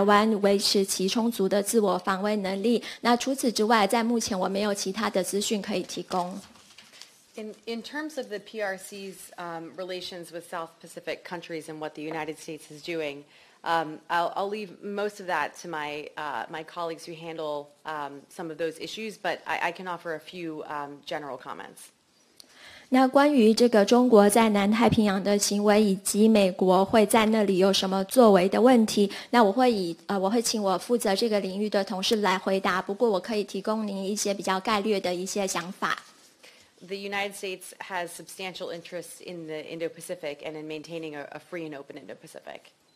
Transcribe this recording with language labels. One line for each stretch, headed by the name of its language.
Chinese: 首先关于第一个问题，就是正如我刚才所说的，就是本届的政府将会运用国会所授权给本届政府的所有的工具，来支持台湾维持其充足的自我防卫能力。那除此之外，在目前我没有其他的资讯可以提供。In
English: terms of the PRC's relations with South Pacific countries and what the United States is doing, I'll leave most of that to my my colleagues who handle some of those issues, but I can offer a few general comments.
Chinese: 那关于这个中国在南太平洋的行为以及美国会在那里有什么作为的问题，那我会请我负责这个领域的同事来回答。不过，我可以提供您一些比较概略的一些想法。
English: The United States has substantial interests in the Indo-Pacific and in maintaining a free and open Indo-Pacific.